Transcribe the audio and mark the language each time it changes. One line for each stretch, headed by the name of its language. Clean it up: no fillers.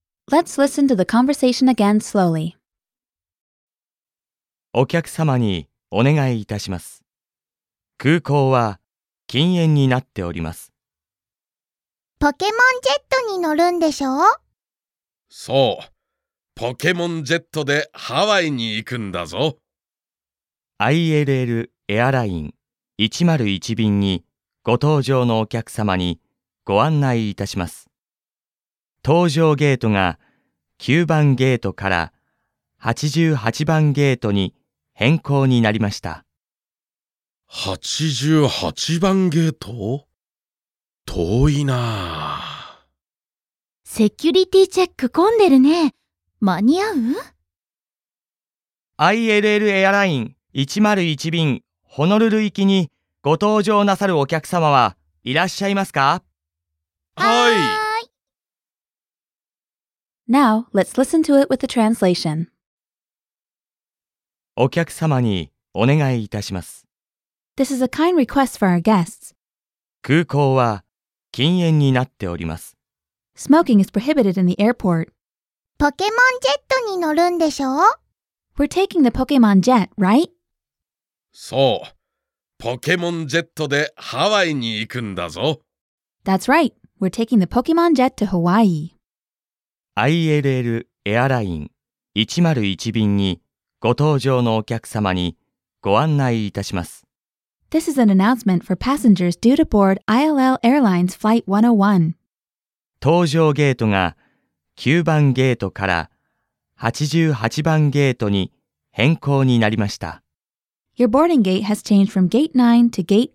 English: Let's listen to the conversation again slowly.
Japanese: お客様にお願いいたします。空港は禁煙になっております。ポケモンジェットに乗るんでしょう？そう。ポケモンジェットでハワイに行くんだぞ。 ILL エアライン101便にご搭乗のお客様にご案内いたします。搭乗ゲートが9番ゲートから88番ゲートに変更になりました。 88番ゲート？遠いな。セキュリティチェック混んでるね。間に合う？ ILL エアライン101便ホノルル行きにご搭乗なさるお客様はいらっしゃいますか？はい。
English: Now, let's listen to it with the translation.
Japanese: お客様にお願いいたします。
English: This is a kind request for our guests.
Japanese: 空港は禁煙になっております。
English: Smoking is prohibited in the airport.
Japanese: ポケモンジェットに乗るんでしょう?
English: We're taking the Pokemon Jet, right?
Japanese: そう。ポケモンジェットでハワイに行くんだぞ。
English: That's right. We're taking the Pokemon Jet to Hawaii.
Japanese: ILL エアライン101便にご搭乗のお客様にご案内いたします。
English: This is an announcement for passengers due to board ILL Airlines Flight 101.
Japanese: 搭乗ゲートが9番ゲートから88番ゲートに変更になりました。
English: Your boarding gate has changed from gate 9 to gate